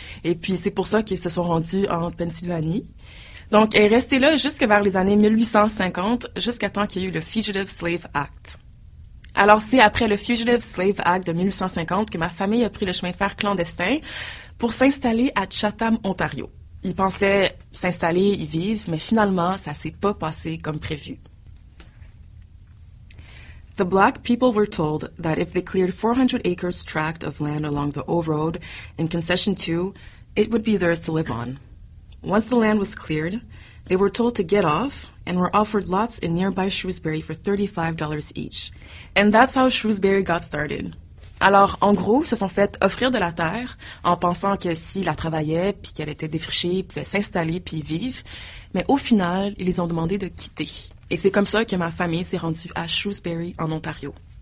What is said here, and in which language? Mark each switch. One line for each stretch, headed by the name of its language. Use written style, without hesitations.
French: Et puis, c'est pour ça qu'ils se sont rendus en Pennsylvanie. Donc, elle est restée là jusque vers les années 1850, jusqu'à temps qu'il y ait eu le Fugitive Slave Act. Alors, c'est après le Fugitive Slave Act de 1850 que ma famille a pris le chemin de fer clandestin pour s'installer à Chatham, Ontario. Ils pensaient s'installer, y vivre, mais finalement, ça s'est pas passé comme prévu.
English: The black people were told that if they cleared 400 acres tract of land along the O Road in concession to, it would be theirs to live on. Once the land was cleared, They were told to get off and were offered lots in nearby Shrewsbury for $35 each. And that's how Shrewsbury got started.
French: Alors, en gros, se sont fait offrir de la terre en pensant que s'ils la travaillaient puis qu'elle était défrichée, ils pouvaient s'installer puis vivre. Mais au final, ils les ont demandé de quitter. Et c'est comme ça que ma famille s'est rendue à Shrewsbury, en Ontario.